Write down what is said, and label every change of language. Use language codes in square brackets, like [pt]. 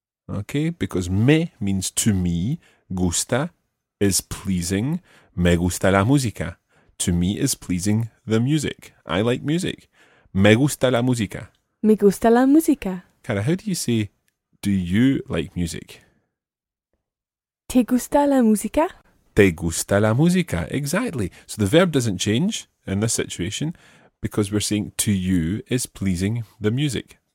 [en] Okay, because me means to me, gusta is pleasing, [es] me gusta la música, [en] to me is pleasing the music, I like music, me gusta la música. [es] Me gusta la música. [en] Cara, how do you say, do you like music? [es] Te gusta la música? Te gusta la música, exactly. [en] So the verb doesn't change in this situation because we're saying to you is pleasing the music.